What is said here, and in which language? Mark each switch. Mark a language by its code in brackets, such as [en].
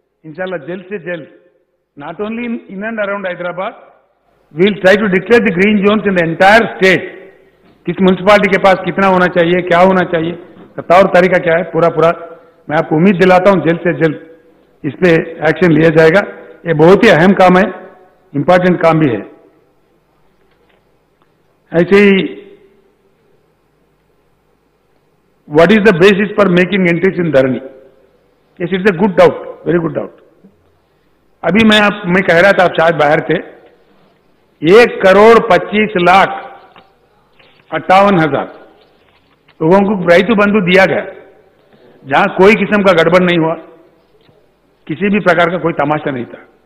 [hi] इंशाल्लाह जल्द से जल्द, [en] Not only in and around Hyderabad, we'll try to declare the green zone in the entire state. [hi] किस municipality के पास कितना होना चाहिए, क्या होना चाहिए, तौर तरीका क्या है, पूरा मैं आपको उम्मीद दिलाता हूं जल्द से जल्द इस पे एक्शन लिया जाएगा. ये बहुत ही अहम काम है, इंपॉर्टेंट काम भी है. ऐसे ही [en] what is the basis for making entries in Dharani? Yes, it's a good doubt, very good doubt. [hi] अभी मैं कह रहा था, आप शायद बाहर थे, 1,25,58,000 लोगों को रैतु बंधु दिया गया, जहां कोई किस्म का गड़बड़ नहीं हुआ, किसी भी प्रकार का कोई तमाशा नहीं था.